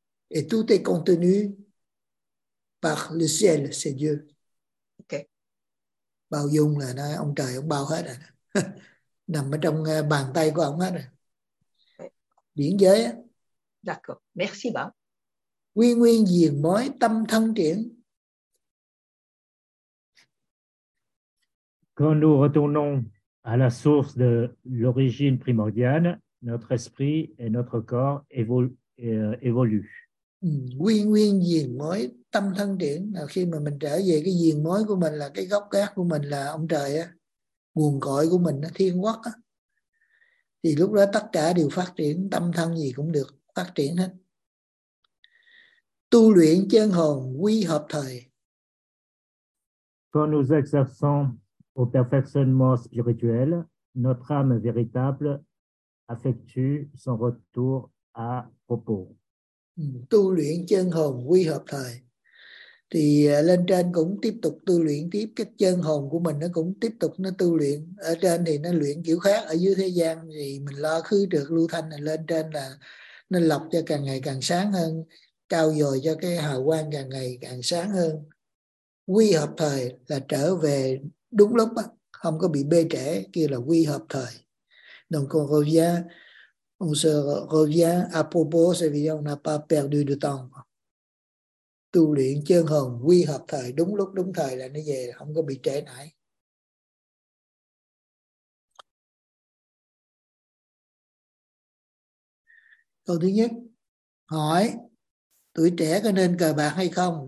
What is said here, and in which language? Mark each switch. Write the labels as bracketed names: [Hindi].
[French] Et tout est contenu par le ciel, c'est Dieu. [Vietnamese] Bao dung là nó, ông trời ông bao hết rồi. Nằm ở trong bàn tay của ông hết rồi. Điển giới á. [French] D'accord. Merci bảo. [Vietnamese] Quy nguyên diền mối tâm thân triển. [French] Quand nous retournons à la source de l'origine primordiale, notre esprit et notre corps évoluent. [Vietnamese] Quy nguyên diền mối tâm thân điển, là khi mà mình trở về cái diền mối của mình, là cái gốc gác của mình, là ông trời á, nguồn cội của mình, thiên quốc á, thì lúc đó tất cả đều phát triển, tâm thân gì cũng được phát triển hết. Tu luyện chân hồn quy hợp thời. [French] Quand nous exerçons au perfectionnement spirituel, notre âme véritable effectue son retour à propos. [Vietnamese] tu luyện chân hồn quy hợp thời, thì lên trên cũng tiếp tục tu luyện tiếp, cái chân hồn của mình nó cũng tiếp tục nó tu luyện. Ở trên thì nó luyện kiểu khác, ở dưới thế gian thì mình lo khứ trược lưu thanh, là lên trên là nó lọc cho càng ngày càng sáng hơn, cao dồi cho cái hào quang càng ngày càng sáng hơn. Quy hợp thời là trở về đúng lúc đó, không có bị bê trễ, kia là quy hợp thời. [French] Donc on revient, on se revient à propos, c'est vrai, on n'a pas perdu de temps. [Vietnamese] Tu luyện chân hồn quy hợp thời, đúng lúc đúng thời là nó về, không có bị trễ nải. Câu thứ nhất, hỏi tuổi trẻ có nên cờ bạc hay không?